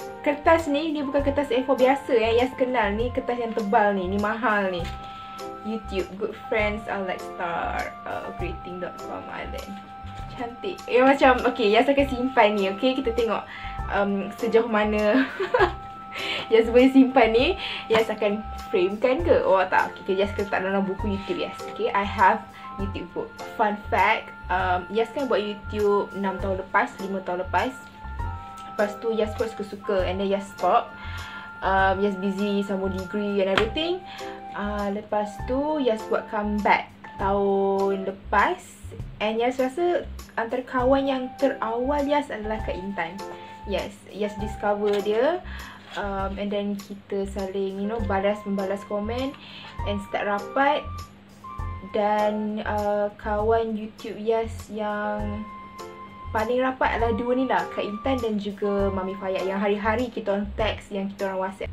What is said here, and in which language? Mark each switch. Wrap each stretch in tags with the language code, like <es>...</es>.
<ms>Kertas ni, dia bukan kertas A4 biasa yang Yas kenal. Ni kertas yang tebal ni. Ni mahal ni.</ms> <en>YouTube, good friends are like star.</en> <ms>Greeting.com Island. Cantik. Eh macam, okay, Yas akan simpan ni. Okay, kita tengok sejauh mana Yas boleh simpan ni. Yas akan framekan ke? Oh tak, okay, kita Yas letak dalam buku YouTube Yas. Okay,</ms> <en>I have YouTube book. Fun fact,</en> <ms>Yas kan buat YouTube 6 tahun lepas, 5 tahun lepas. Lepas tu Yas pun suka-suka and then Yas stop. Yas busy sama degree</ms> <en>and everything.</en> <ms>Lepas tu Yas buat comeback tahun lepas. And Yas rasa antara kawan yang terawal Yas adalah Kak Intan. Yes, Yas discover dia.</ms> <en>And then</en> <ms>kita saling,</ms> <en>you know,</en> <ms>balas-membalas komen</ms> <en>and start</en> <ms>rapat. Dan kawan YouTube Yas yang paling rapat adalah dua ni lah, Kak Intan dan juga Mami Fayad, yang hari-hari kita orang text, yang kita orang WhatsApp.</ms>